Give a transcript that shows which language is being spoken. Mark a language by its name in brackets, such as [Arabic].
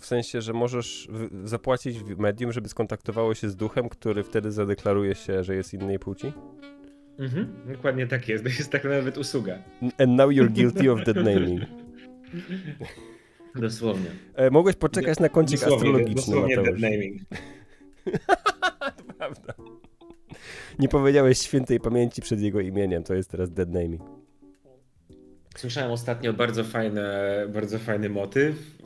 [Polish] W sensie, że możesz zapłacić w medium, żeby skontaktowało się z duchem, który wtedy zadeklaruje się, że jest innej płci? Mhm, dokładnie tak jest. To jest tak nawet usługa. [English] And now you're guilty of dead naming. [Polish] Dosłownie. Mogłeś poczekać na kącik dosłownie, astrologiczny, dosłownie Mateusz. Dosłownie dead naming. To prawda. Nie powiedziałeś świętej pamięci przed jego imieniem, to jest teraz dead naming. Słyszałem ostatnio bardzo fajny motyw.